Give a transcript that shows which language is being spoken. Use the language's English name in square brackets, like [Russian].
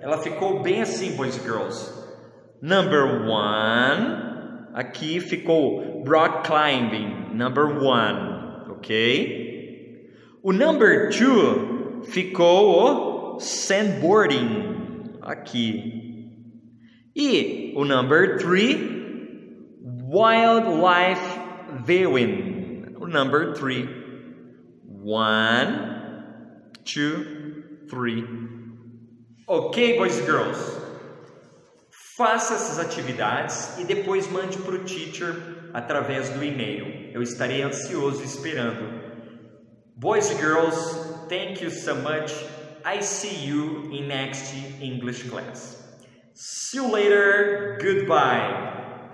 [Portuguese] Ela ficou bem assim, [English] boys and girls. Number one, [Portuguese] Aqui ficou rock climbing, [English] number one, [Portuguese] ok? O [English] number two [Portuguese] ficou o sandboarding, aqui. E o [English] number three, [Portuguese] wildlife viewing, o number three. [English] One, two, three. Ok, boys and girls? [Portuguese] Faça essas atividades e depois mande para o teacher através do e-mail. Eu estarei ansioso esperando. [English] Boys and girls, thank you so much. I see you in next English class. See you later. Goodbye.